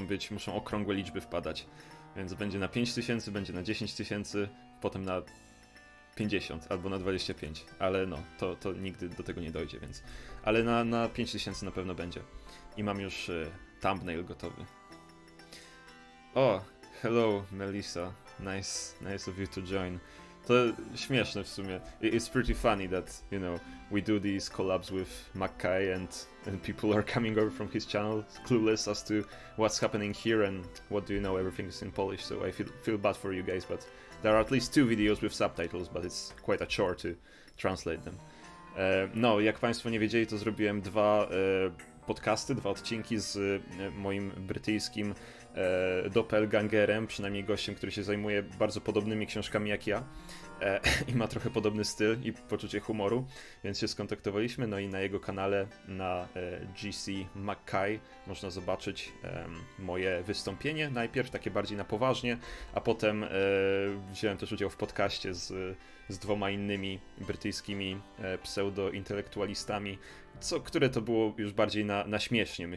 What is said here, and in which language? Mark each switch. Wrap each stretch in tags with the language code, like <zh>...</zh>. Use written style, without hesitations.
<pl>Muszą okrągłe liczby wpadać. Więc będzie na 5000, będzie na 10000, potem na 50 albo na 25. Ale no, to nigdy do tego nie dojdzie, więc. Ale na 5000 na pewno będzie. I mam już thumbnail gotowy.</pl> <en>O, hello Melissa, nice of you to join.</en> <pl>To śmieszne w sumie.</pl> <en>It's pretty funny that, you know, we do these collabs with Makai and people are coming over from his channel, clueless as to what's happening here and what do you know, everything is in Polish, so I feel bad for you guys, but there are at least two videos with subtitles, but it's quite a chore to translate them.</en> <pl>No, jak państwo nie wiedzieli, to zrobiłem dwa odcinki z moim brytyjskim doppelgangerem, przynajmniej gościem, który się zajmuje bardzo podobnymi książkami jak ja i ma trochę podobny styl i poczucie humoru, więc się skontaktowaliśmy, no i na jego kanale, na GC Mackay, można zobaczyć moje wystąpienie najpierw, takie bardziej na poważnie, a potem wziąłem też udział w podcaście z dwoma innymi brytyjskimi pseudointelektualistami, które to było już bardziej na śmiesznie.</pl>